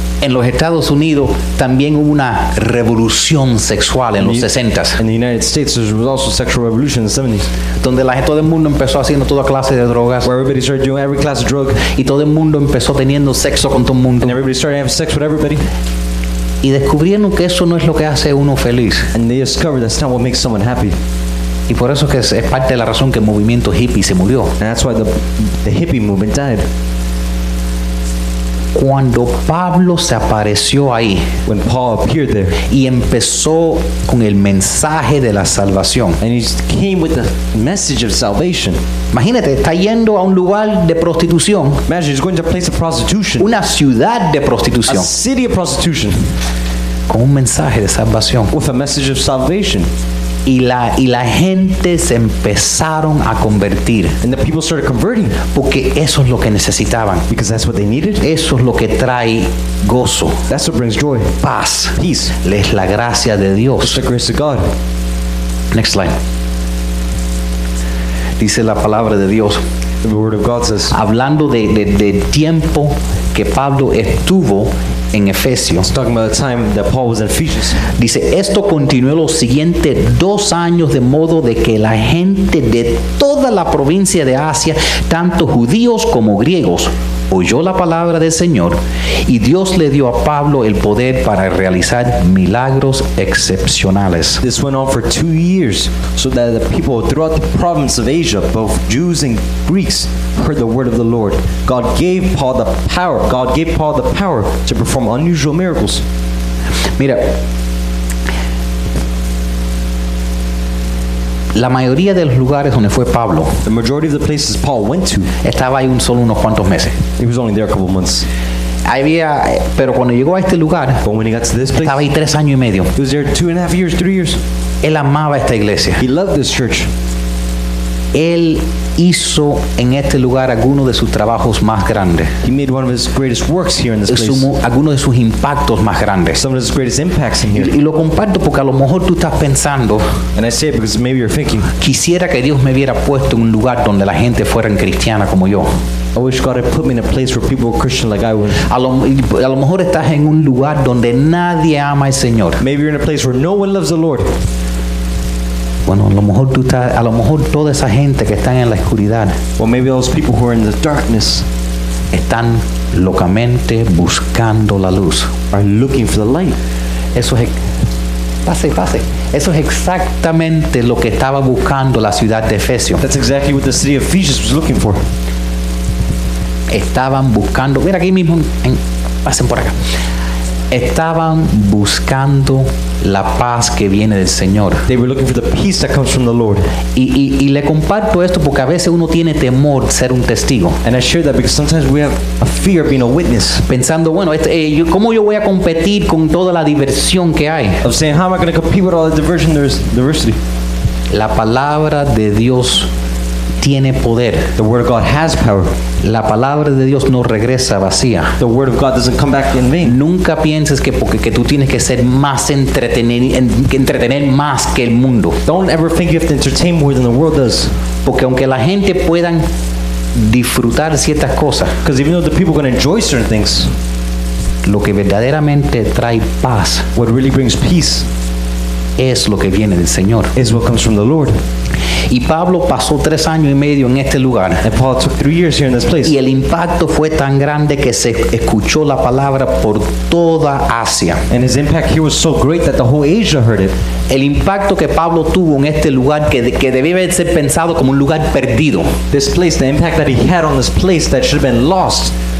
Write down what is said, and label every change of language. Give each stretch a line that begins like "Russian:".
Spanish: En los Estados Unidos también hubo una revolución sexual en los 60s.
English: In the United States there was also a sexual revolution in the 70s.
Spanish: Donde todo el mundo empezó haciendo toda clase de drogas.
English: Where everybody started doing every class of drug.
Spanish: Y todo el mundo empezó teniendo sexo con todo el mundo.
English: And everybody started having sex with everybody.
Spanish: Y descubrieron que eso no es lo que hace uno feliz.
English: And they discovered that's not what makes someone happy.
Spanish: Y por eso que es parte de la razón que el movimiento hippie se murió.
English: And that's why the hippie movement died.
Spanish: Cuando Pablo se apareció ahí,
English: when Paul appeared there,
Spanish: y empezó con el mensaje de la salvación,
English: and he came with the message of salvation.
Spanish: Imagínate, está yendo a un lugar de prostitución.
English: Imagine he's going to a place of prostitution.
Spanish: Una ciudad de prostitución.
English: A city of prostitution.
Spanish: Con un mensaje de salvación.
English: With a message of salvation.
Spanish: Y la gente se empezaron a convertir.
English: And the people started converting.
Spanish: Porque eso es lo que necesitaban.
English: Because that's what they needed.
Spanish: Eso es lo que trae gozo.
English: That's what brings joy.
Spanish: Paz.
English: Peace.
Spanish: Les la gracia de Dios.
English: It's the grace of God. Next slide.
Spanish: Dice la palabra de Dios.
English: The word of God says.
Spanish: Hablando de tiempo que Pablo estuvo en Efesio.
English: It's talking about the time that Paul was in Ephesus.
Spanish: Dice, esto continuó los siguientes 2 años de modo de que la gente de toda la provincia de Asia, tanto judíos como griegos, oyó la palabra del Señor y Dios le dio a Pablo el poder para realizar milagros excepcionales.
English: This went on for 2 years so that the people throughout the province of Asia, both Jews and Greeks, heard the word of the Lord. God gave Paul the power. God gave Paul the power to perform unusual miracles.
Spanish: Mira, La mayoría de los lugares donde fue Pablo,
English: the majority of the places Paul went to,
Spanish: estaba ahí un solo unos cuantos meses.
English: He was only there a couple months.
Spanish: Había, pero cuando llegó a este lugar,
English: but when he got to this place,
Spanish: estaba ahí tres años y medio.
English: He was there 2.5 years, 3 years.
Spanish: Él amaba esta iglesia.
English: He loved this church.
Spanish: Él hizo en este lugar algunos de sus trabajos más grandes.
English: He made one of his greatest works here in this place.
Spanish: Algunos de sus impactos más grandes.
English: Some of his greatest impacts in here.
Spanish: Y lo comparto porque a lo mejor tú estás pensando.
English: And I say it because maybe you're thinking.
Spanish: Quisiera que Dios me hubiera puesto en un lugar donde la gente fuera cristiana como yo.
English: I wish God had put me in a place where people were Christian like I was.
Spanish: A lo mejor estás en un lugar donde nadie ama al Señor.
English: Maybe you're in a place where no one loves the Lord.
Spanish: Bueno, a lo mejor toda esa gente que están en la oscuridad,
English: well, maybe those people who are in the darkness,
Spanish: están locamente buscando la luz,
English: are looking for the light.
Spanish: Eso es exactamente lo que estaba buscando la ciudad de Efesios.
English: That's exactly what the city of Ephesus was looking for.
Spanish: Estaban buscando, mira aquí mismo, pasen por acá. Estaban buscando la paz que viene del Señor.
English: They were looking for the peace that comes from the Lord.
Spanish: Y le comparto esto porque a veces uno tiene temor ser un testigo.
English: And I share that because sometimes we have a fear of being a witness.
Spanish: Pensando, bueno, ¿cómo yo voy a competir con toda la diversión que hay?
English: Of saying, how am I going to compete with all the diversion there's diversity?
Spanish: La palabra de Dios tiene poder.
English: The word of God has power.
Spanish: La palabra de Dios no regresa vacía.
English: The word of God doesn't come back in vain.
Spanish: Nunca pienses que porque tú tienes que ser más entretener más que el mundo.
English: Don't ever think you have to entertain more than the world does.
Spanish: Porque aunque la gente puedan disfrutar ciertas cosas,
English: because even though the people can enjoy certain things,
Spanish: lo que verdaderamente trae paz,
English: what really brings peace,
Spanish: es lo que viene del Señor.
English: Is what comes from the Lord.
Spanish: Y Pablo pasó tres años y medio en este lugar.
English: And Paul took 3 years here in this place.
Spanish: Y el impacto fue tan grande que se escuchó la palabra por toda Asia.
English: And his impact here was so great that the whole Asia heard it.
Spanish: El impacto que Pablo tuvo en este lugar que debía haberse pensado como un lugar perdido.
English: This place, the impact that he had on this place that should have been lost.